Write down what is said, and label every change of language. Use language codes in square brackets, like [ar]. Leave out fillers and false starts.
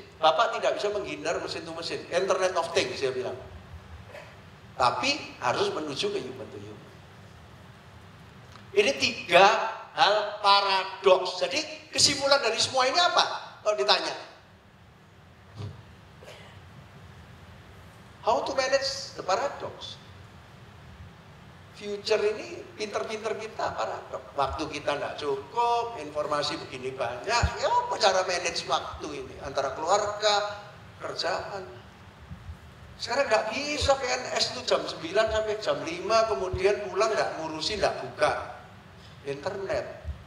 [id] Bapak tidak bisa menghindar mesin to mesin. Internet of things, saya bilang. Tapi harus menuju ke human to human. Ini tiga hal paradoks. Jadi kesimpulan dari semua ini apa? Kalau ditanya. [en] How to manage the paradox? [id] Future ini pinter-pinter kita paradox. Waktu kita tidak cukup, informasi begini banyak. Ya apa cara manage waktu ini? Antara keluarga, kerjaan. Sekarang tidak bisa PNS itu jam 9 sampai jam 5, kemudian pulang tidak ngurusin, tidak buka internet.